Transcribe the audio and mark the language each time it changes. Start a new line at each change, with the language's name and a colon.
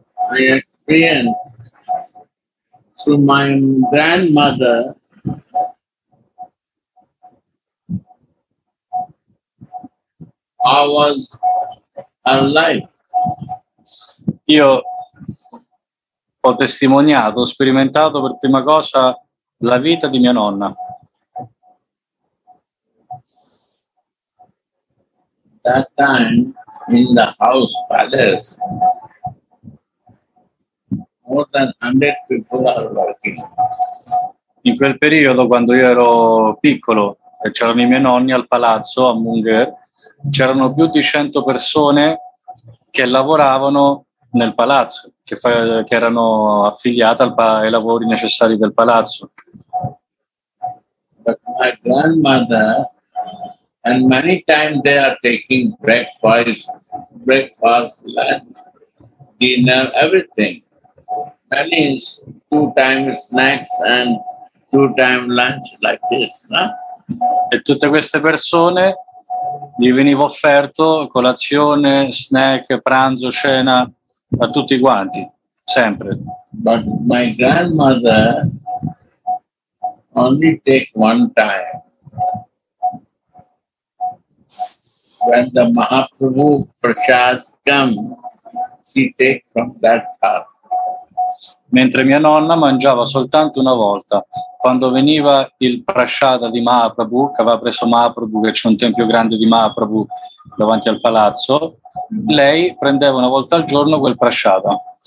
English: I experienced through my grandmother how was her life.
Italian: Io ho testimoniato, ho sperimentato per prima cosa la vita di mia nonna.
English: That time in the house palace. More than 100 people are working.
Italian: In quel periodo, quando io ero piccolo e c'erano i miei nonni al palazzo a Munger, c'erano più di 100 persone che lavoravano nel palazzo, che erano affiliate ai lavori necessari del palazzo.
English: But my grandmother, and many times they are taking breakfast, lunch, dinner, everything. That means two times snacks and two times lunch like this, no?
Italian: E tutte queste persone gli veniva offerto colazione, snack, pranzo, cena a tutti quanti, sempre.
English: But my grandmother only take one time when the Mahaprabhu Prasad comes, she take from that part.
Italian: Mentre mia nonna mangiava soltanto una volta, quando veniva il prasciada di Mahaprabhu, che aveva preso Mahaprabhu, che c'è un tempio grande di Mahaprabhu davanti al palazzo, lei prendeva una volta al giorno quel prasciada.